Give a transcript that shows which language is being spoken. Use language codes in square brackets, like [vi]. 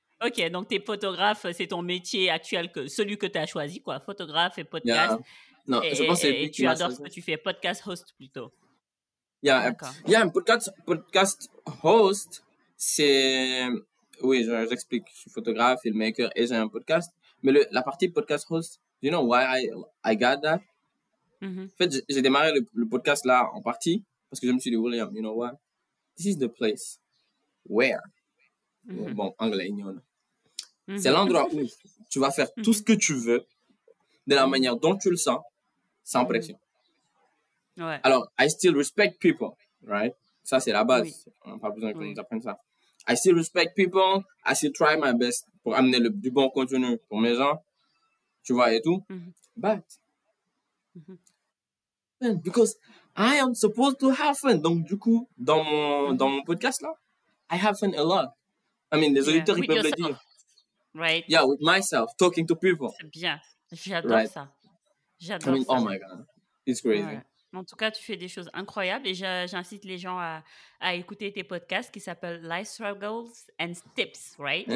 [fr] Ok, donc t'es photographe, c'est ton métier actuel, celui que t'as choisi, quoi, photographe et podcast. [en] Yeah. [fr] Non, et, je pense que c'est et tu adores ce que tu fais, podcast host plutôt. [en] Yeah, yeah, podcast host, c'est... [fr] Oui, j'explique, je suis photographe, filmmaker et j'ai un podcast. Mais la partie [en] podcast host, you know why I got that? Mm-hmm. [fr] En fait, j'ai démarré le podcast là en partie parce que je me suis dit, William, [en] you know what? This is the place where... Mm-hmm. [fr] Bon, anglais, [en] you know. Mm-hmm. [fr] C'est l'endroit où tu vas faire tout ce que tu veux de la manière dont tu le sens, sans pression. Ouais. [en] Alors, I still respect people, right? [fr] Ça, c'est la base. Oui. On n'a pas besoin qu'on nous apprenne ça. [en] I still respect people. I still try my best [fr] pour amener du bon contenu pour mes gens. Tu vois, et tout. Mm-hmm. [en] But, because I am supposed to have fun. [fr] Donc, du coup, dans mon podcast, là, [en] I have fun a lot. [fr] I mean, les auditeurs, ils peuvent le dire. [en] Right. Yeah, with myself, talking to people. [fr] C'est bien. J'adore ça. J'adore ça. [en] I mean, oh my God. It's crazy. Ouais. [fr] En tout cas, tu fais des choses incroyables et j'incite les gens à écouter tes podcasts qui s'appellent Life Struggles and Tips, right?